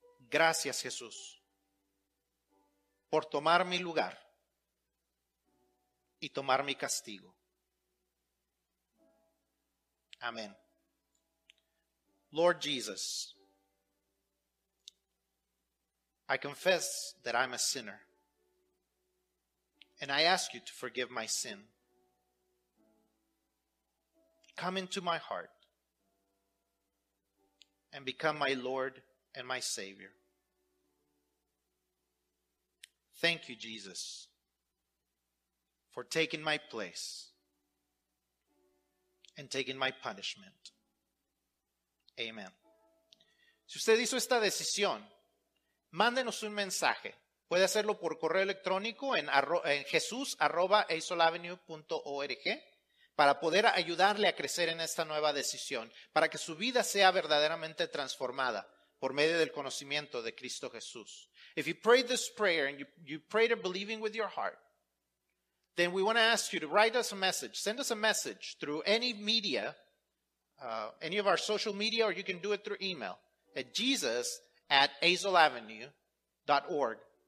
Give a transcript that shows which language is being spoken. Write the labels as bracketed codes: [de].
[es] Gracias, Jesús, por tomar mi lugar y tomar mi castigo. Amén. [en] Lord Jesus, I confess that I'm a sinner, and I ask you to forgive my sin. Come into my heart and become my Lord and my Savior. Thank you, Jesus, for taking my place and taking my punishment. Amen. [es] Si usted hizo esta decisión, mándenos un mensaje. Puede hacerlo por correo electrónico en jesus@azoleavenue.org para poder ayudarle a crecer en esta nueva decisión, para que su vida sea verdaderamente transformada por medio del conocimiento de Cristo Jesús. [en] If you prayed this prayer and you prayed it believing with your heart, then we want to ask you to write us a message. Send us a message through any media, any of our social media, or you can do it through email at jesus@azoleavenue.org.